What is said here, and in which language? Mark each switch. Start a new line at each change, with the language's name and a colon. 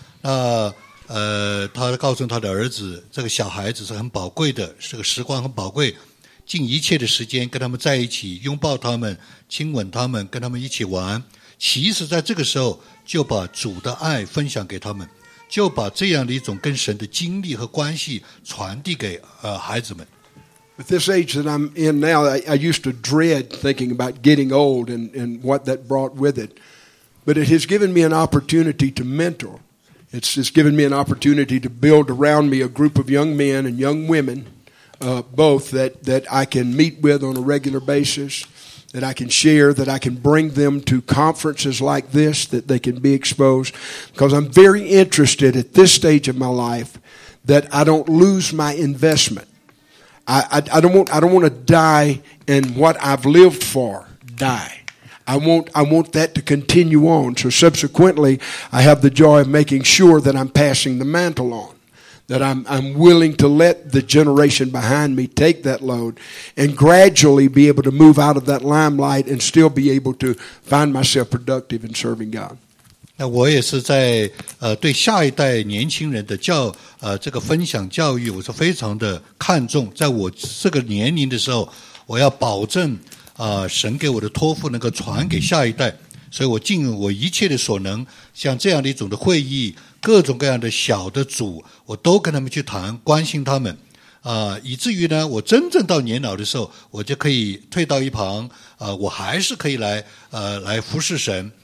Chinese: 那他告诉他的儿子，这个小孩子是很宝贵的，这个时光很宝贵，尽一切的时间跟他们在一起，拥抱他们，亲吻他们，跟他们一起玩。其实在这个时候就把主的爱分享给他们，就把这样的一种跟神的经历和关系传递给孩子们。
English: At this age that I'm in now, I used to dread thinking about getting old and what that brought with it. But it has given me an opportunity to mentor. It's given me an opportunity to build around me a group of young men and young women, both that I can meet with on a regular basis, that I can share, that I can bring them to conferences like this, that they can be exposed. Because I'm very interested at this stage of my life that I don't lose my investment. I don't want to die and what I've lived for die. I want that to continue on. So subsequently, I have the joy of making sure that I'm passing the mantle on, that I'm willing to let the generation behind me take that load and gradually be able to move out of that limelight and still be able to find myself productive in serving God.
Chinese: 那我也是在对下一代年轻人的教这个分享教育，我是非常的看重。在我这个年龄的时候，我要保证神给我的托付能够传给下一代，所以我尽我一切的所能，像这样的一种的会议，各种各样的小的组，我都跟他们去谈，关心他们以至于呢，我真正到年老的时候，我就可以退到一旁我还是可以来服侍神。